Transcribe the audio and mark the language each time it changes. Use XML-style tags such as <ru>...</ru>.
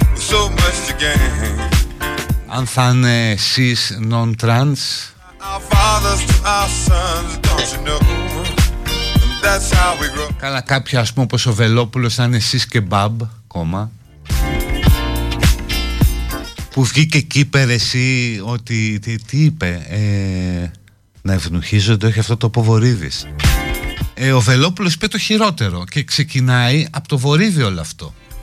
<en>So much to gain.</en> <el>Αν θα είναι cis, non-trans.</el> <en>Our fathers to our sons, don't you know? That's how we grow.</en> <el>Καλά, κάποιοι, ας πούμε, όπως ο Βελόπουλος, θα είναι cis και μπαμπ κόμμα. Που βγήκε εκεί πέρα εσύ ότι τι είπε, να ευνουχίζονται, όχι αυτό το από Βορύδης. Ο Βελόπουλος είπε το χειρότερο και ξεκινάει από το Βορύδη όλο αυτό.</el>